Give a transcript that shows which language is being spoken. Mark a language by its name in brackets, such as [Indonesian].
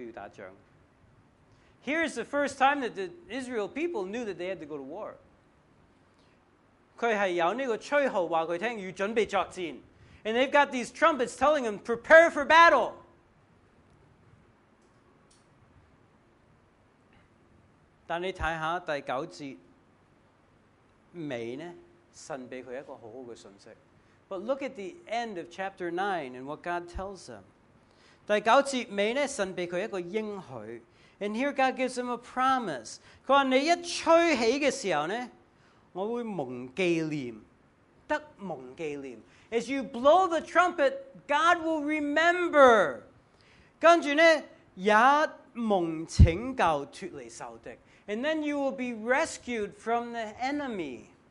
[Cantonese] 咁啊，呢度有呢種嘅作用。但我想你留意下咧，呢個第一次以色列人知道佢要打仗。Here [English] is the first time that the Israel people knew that they had to go to war. [Cantonese] 佢係有呢個吹號話佢聽，要準備作戰。 [English] And they've got these trumpets telling them, prepare for battle. [Cantonese] 但你睇下第九節尾咧。 [English] But look at the end of chapter 9 and what God tells them. [Cantonese] 第九節尾呢，神俾佢一個應許， [English] and here God gives them a promise. [Cantonese] 佢話你一吹起嘅時候呢，我會蒙記念。 [English] As you blow the trumpet, God will remember. [Cantonese] 跟住呢，也蒙拯救脫離仇敵， [English] and then you will be rescued from the enemy.